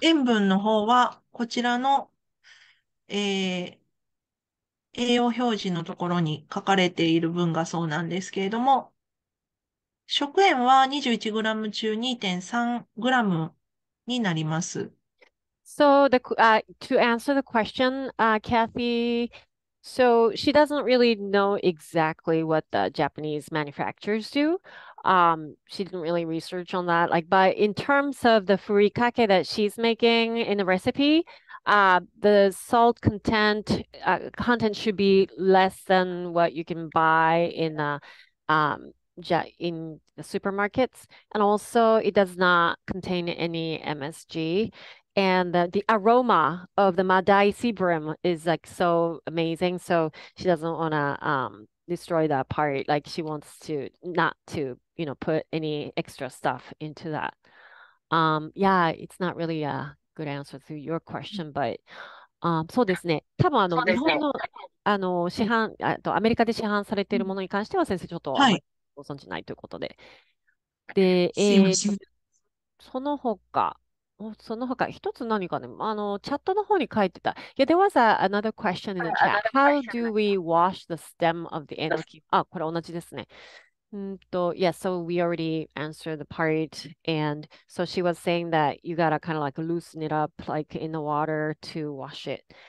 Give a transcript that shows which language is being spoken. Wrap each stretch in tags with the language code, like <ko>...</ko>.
<ja>塩分の方は、こちらの、栄養表示のところに書かれている分がそうなんですけれども、食塩は 21g 中 2.3g になります。</ja> <en>So, the,、to answer the question,、Kathy, so she doesn't really know exactly what the Japanese manufacturers do.、she didn't really research on that. Like, but in terms of the furikake that she's making in the recipe,the salt content should be less than what you can buy in the supermarkets. And also, it does not contain any MSG. And the aroma of the madai sea bream is like so amazing. So she doesn't want to destroy that part. Like, she wants to not to, you know, put any extra stuff into that. Yeah, it's not really good answer to your question, but</en> <ja>そうですね。多分、日本の、市販、アメリカで市販されているものに関しては、先生、ちょっとあまりご存じないということで。で、その他、一つ何かね、チャットの方に書いてた。</ja> <en>Yeah, there was another question in the chat. How do we wash the stem of the enoki?</en> <ja>あ、これ同じですね。</ja> <en>Yeah, so we already answered the part. And so she was saying that you gotta kind of like loosen it up, like in the water to wash it.</en>